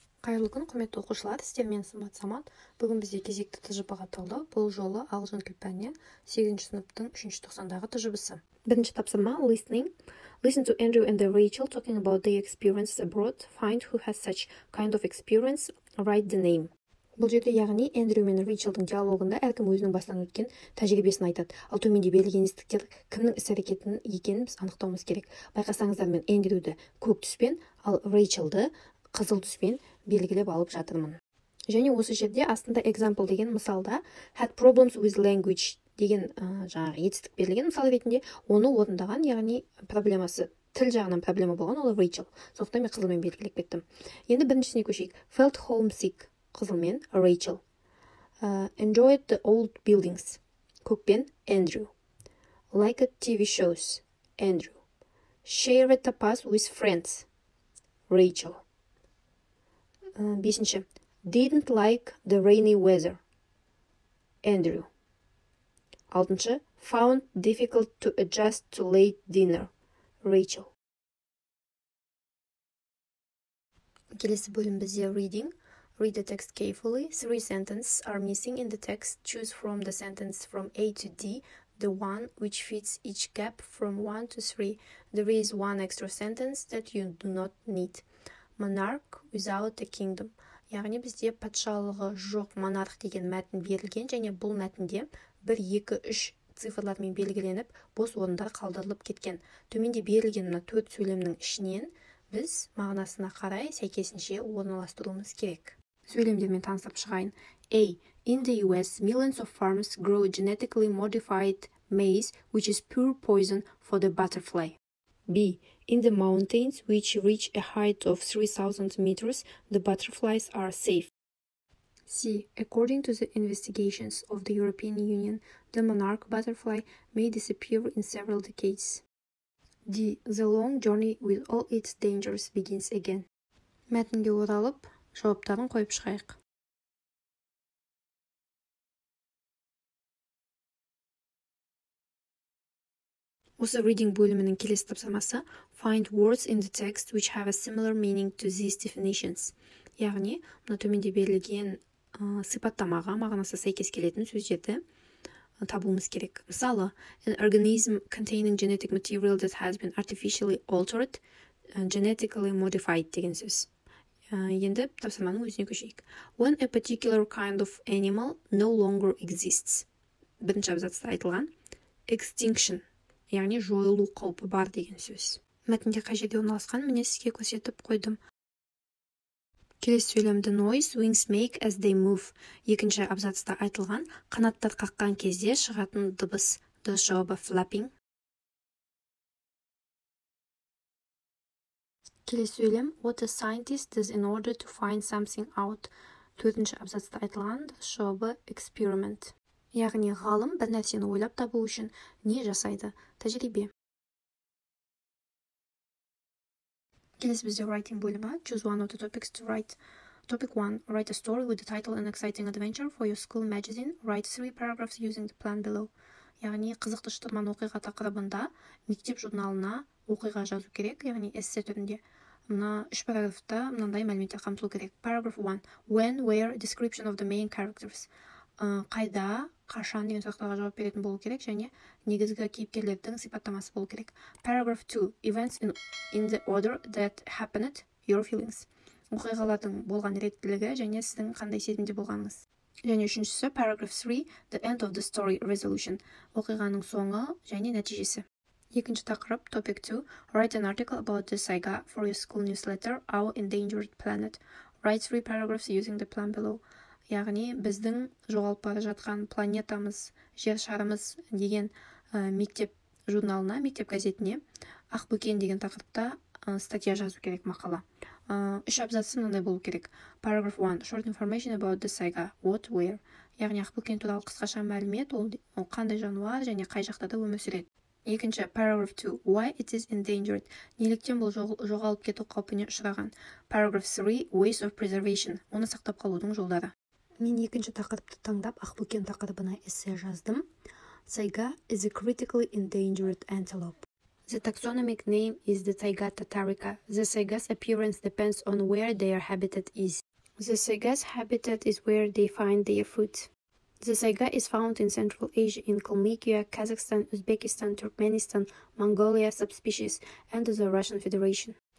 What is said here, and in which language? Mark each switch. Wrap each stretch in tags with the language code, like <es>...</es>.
<kk>Қайырлы күн, құрметті оқушылар, сіздер мен Сымбат Самат. Бүгін бізде кезекті тұжыбаға толды. Бұл жолы ағылшын тіл пәнінен 8-ші сыныптың 3-ші 90-дағы тұжыбысы. Бірінші тапсырма – listening.</kk> <en>Listen to Andrew and Rachel talking about their experiences abroad. Find who has such kind of experience. Write the name.</en> <kk>Бұл жерде, яғни, Эндрю мен Ричелдің диалогында әркім өзінің бастан өткен тәжірибесін айтады. Ал төменде берілген естіктер кімнің іс-әрекетін екенін біз анықтауымыз керек. Байқасаңыздар, мен Эндрюді көк түспен, ал Рейчелді қызыл түспен белгілеп алып жатырмын. Және осы жерде астында example деген мысалда</kk> <en>had problems with language</en> <kk>деген жаңағы етістік берілген мысал ретінде оны орындаған, яғни проблемасы. Тіл жағынан проблема болған ол Рейчел. Сондықтан мен қызылмен белгілеп кеттім. Енді біріншісіне көшейік.</kk> <en>Felt homesick.</en> <kk>Қызылмен</kk> <en>Рейчел. Enjoyed the old buildings.</en> <kk>Көкпен Andrew.</kk> <en>Liked TV shows. Andrew. Shared tapas with friends.</en> <kk>Рейчел. Бесінші.</kk> <en>Didn't like the rainy weather.</en> <kk>Andrew. Алтыншы.</kk> <en>Found difficult to adjust to late dinner. Rachel.</en> <kk>Келесі бөлім бізде reading.</kk> <en>Read the text carefully. Three sentences are missing in the text. Choose from the sentence from A to D, the one which fits each gap from 1 to 3. There is one extra sentence that you do not need. Monarch without a kingdom.</en> <kk>Яғни бізде патшалығы жоқ монарх деген мәтін берілген, және бұл мәтінде 1, 2, 3 цифрлармен белгіленіп, бос орындар қалдырылып кеткен. Төменде берілген мына 4 сөйлемнің ішінен біз мағынасына қарай сәйкесінше орналастыруымыз керек. Сөйлемдермен танысып шығайын.</kk> <en>A. In the US, millions of farmers grow genetically modified maize, which is pure poison for the butterfly. B. In the mountains, which reach a height of 3,000 meters, the butterflies are safe. C. According to the investigations of the European Union, the monarch butterfly may disappear in several decades. D. The long journey with all its dangers begins again.</en> <kk>Мәтінге оралып, жауаптарын қойып шығайық. Осы reading бөлімінің келесі тапсырмасы</kk> <en>find words in the text which have a similar meaning to these definitions.</en> <kk>Яғни, мына төменде берілген сипаттамаға мағынасы сәйкес келетін сөздерді табуымыз керек. Мысалы,</kk> <en>an organism containing genetic material that has been artificially altered, genetically modified</en> <kk>деген сөз. Енді тапсырманың өзіне көшейік.</kk> <en>When a particular kind of animal no longer exists.</en> <kk>Бірінші абзацта айтылған</kk> <en>extinction.</en> <kk>Яғни жойылу қаупі бар деген сөз. Мәтінде қай жерде орналасқан, мен сізге көрсетіп қойдым. Келесі сөйлемді noise</kk> <en>wings make as they move.</en> <kk>Екінші абзацта айтылған қанаттар қаққан кезде шығатын дыбыс. Дұрыс жауабы flapping. Келесі сөйлем</kk> <en>what a scientist does in order to find something out.</en> <kk>Төртінші абзацта айтылған дұрыс жауабы experiment. Яғни, ғалым бір нәрсені ойлап табу үшін не жасайды? Тәжірибе. Келесі бізде writing бөлімі.</kk> <en>Choose one of the topics to write. Topic 1. Write a story with the title An Exciting Adventure for your school magazine. Write 3 paragraphs using the plan below.</en> <kk>Яғни, қызықты шытырман оқиға тақырыбында мектеп журналына оқиға жазу керек, яғни эссе түрінде. Мына 3 параграфта мынандай мәліметтер қамтылу керек.</kk> <en>Paragraph 1. When, where, description of the main characters.</en> <kk>Қайда, қашан деген сұрақтарға жауап беретін болу керек, және негізгі кейіпкерлердің сипаттамасы болу керек.</kk> <en>Paragraph 2. Events in the order that happened, your feelings.</en> <kk>Оқиғалардың болған реттілігі, және сіздің қандай сезімде болғаныңыз. Және үшіншісі, paragraph 3.</kk> <en>The end of the story, resolution.</en> <kk>Оқиғаның соңы, және нәтижесі. Екінші тақырып, topic 2.</kk> <en>Write an article about the saga for your school newsletter, Our Endangered Planet. Write 3 paragraphs using the plan below.</en> <kk>Яғни, біздің жоғалып бара жатқан планетамыз, жер шарымыз деген мектеп журналына, мектеп газетіне Ақбөкен деген тақырыпта статья жазу керек мақала. Үш абзацы мынандай болу керек.</kk> <en>Paragraph 1. Short information about the saga. What, where?</en> <kk>Яғни, Ақбөкен туралы қысқаша мәлімет, ол қандай жануар және қай жақта да өмір сүреді. Екінші, paragraph 2.</kk> <en>Why it is endangered?</en> <kk>Неліктен бұл жоғалып кету қаупіне ұшыраған?</kk> <en>Paragraph 3. Ways of preservation.</en> <kk>Оны сақтап қалудың жолдары. Мен екінші тақырыпты таңдап, Ақбөкен тақырыбына эссе жаздым.</kk> <en>Сайга is a critically endangered antelope. The taxonomic name is the taiga tatarica. The saiga's appearance depends on where their habitat is. The saiga's habitat is where they find their food. The saiga is found in Central Asia in Kalmykia, Kazakhstan, Uzbekistan, Turkmenistan, Mongolia subspecies, and the Russian Federation.</en>